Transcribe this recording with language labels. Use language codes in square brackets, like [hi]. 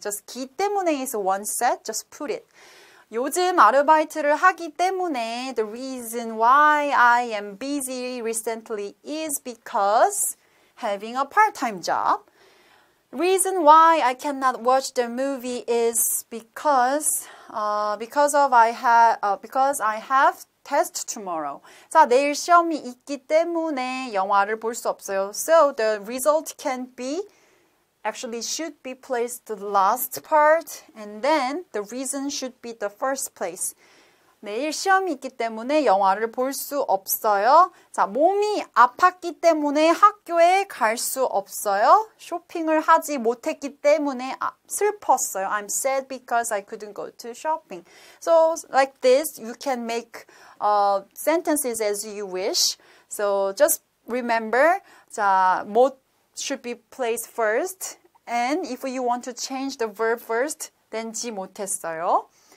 [en] Just 기 때문에 is one set, just put it. [ko] 요즘 아르바이트를 하기 때문에 [en] the reason why I am busy recently is because having a part-time job. Reason why I cannot watch the movie is because I have test tomorrow. [ko] 자, 내일 시험이 있기 때문에 영화를 볼 수 없어요. [en] So the result can be actually should be placed the last part and then the reason should be the first place. [ko] 내일 시험이 있기 때문에 영화를 볼 수 없어요. 자, 몸이 아팠기 때문에 학교에 갈 수 없어요. 쇼핑을 하지 못했기 때문에 슬펐어요. [en] I'm sad because I couldn't go to shopping. So like this, you can make sentences as you wish. So just remember, 자, 못 should be placed first. And if you want to change the verb first, then [ko] 지 못했어요.